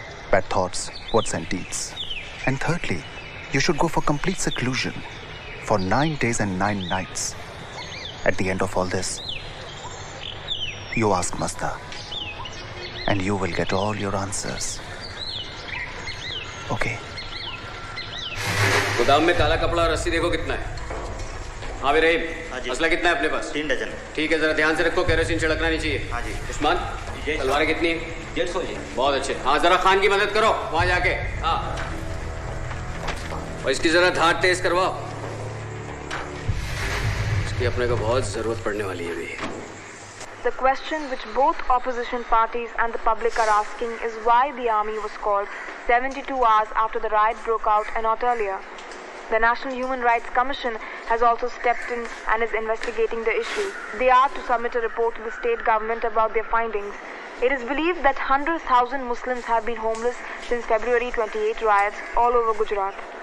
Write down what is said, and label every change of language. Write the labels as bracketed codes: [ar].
[en] Bad thoughts, words and deeds. And thirdly, you should go for complete seclusion for 9 days and nine nights. At the end of all this, you ask Mazda and you will get all your answers. Okay. [hi] गोदाम में काला कपड़ा और रस्सी देखो कितना है। हाँ भी रहीम। हाँ जी। असला कितना है अपने पास? तीन डजन। ठीक है जरा ध्यान से रखो केरोसिन छिड़कना नहीं चाहिए। हाँ जी। उस्मान? तलवारें कितनी? 150 जी। बहुत अच्छे। हाँ जरा खान की मदद करो वहां जाके। हाँ। इसकी जरा धार तेज करवाओ। इसकी अपने को बहुत जरूरत पड़ने वाली है। [en] The question which both opposition parties and the public are asking is why the army was called 72 hours after the riot broke out and not earlier. The National Human Rights Commission has also stepped in and is investigating the issue. They are to submit a report to the state government about their findings. It is believed that 100,000 Muslims have been homeless since February 28 riots all over Gujarat.